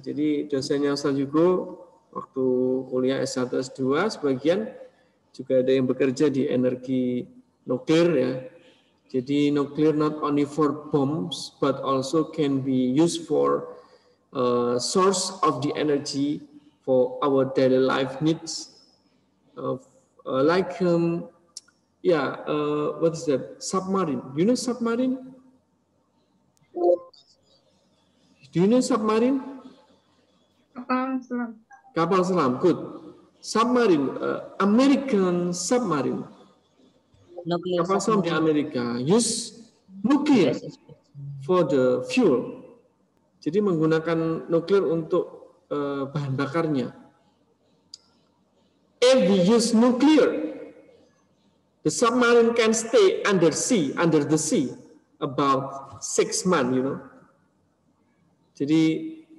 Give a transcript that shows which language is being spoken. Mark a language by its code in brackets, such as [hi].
[id] Jadi dosennya Ustaz Yugo waktu kuliah S1 S2 sebagian juga ada yang bekerja di energi nuklir, ya. [en] Jadi nuklir not only for bombs but also can be used for source of the energy for our daily life needs of what is that, submarine. You know submarine? Do you know submarine? [id] Kapal selam, [en] good. Submarine, American submarine. Nuclear [id] kapal selam di Amerika, [en] use nuclear for the fuel. [id] Jadi menggunakan nuklir untuk bahan bakarnya. [en] If we use nuclear, the submarine can stay under the sea, about 6 months, you know. Jadi